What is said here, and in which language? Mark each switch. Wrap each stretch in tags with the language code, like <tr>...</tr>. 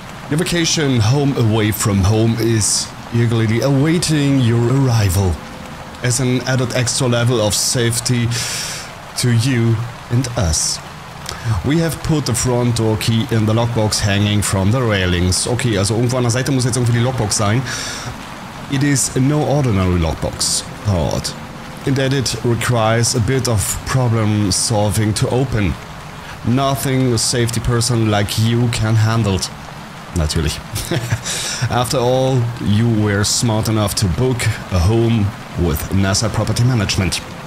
<en>Your vacation home away from home is eagerly awaiting your arrival. As an added extra level of safety to you and us. We have put the front door key in the lockbox hanging from the railings.</en> <de>Okay, also irgendwo an der Seite muss jetzt irgendwie die Lockbox sein.</de> <en>It is no ordinary lockbox, thought. And that it requires a bit of problem solving to open. Nothing a safety person like you can handle.</en> <de>Natürlich.</de> <en>After all, you were smart enough to book a home with NASA Property Management.</en>